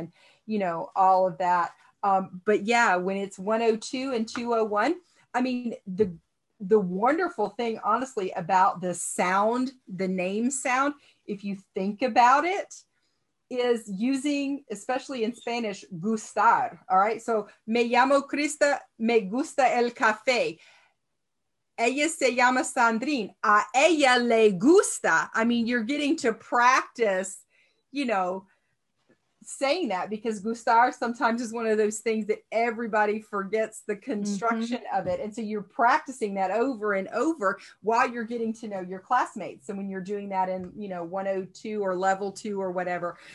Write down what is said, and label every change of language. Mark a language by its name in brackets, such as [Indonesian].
[English] and, you know, all of that. But yeah, when it's 102 and 201, I mean, the wonderful thing, honestly, about the sound, the name sound, if you think about it, is using, especially in Spanish, gustar, all right? [Spanish] So, me llamo Krista, me gusta el café. Ella se llama Sandrine, a ella le gusta. [English] I mean, you're getting to practice, you know, saying that, because gustar sometimes is one of those things that everybody forgets the construction mm-hmm. of it. And so you're practicing that over and over while you're getting to know your classmates. And when you're doing that in, you know, 102 or level 2 or whatever.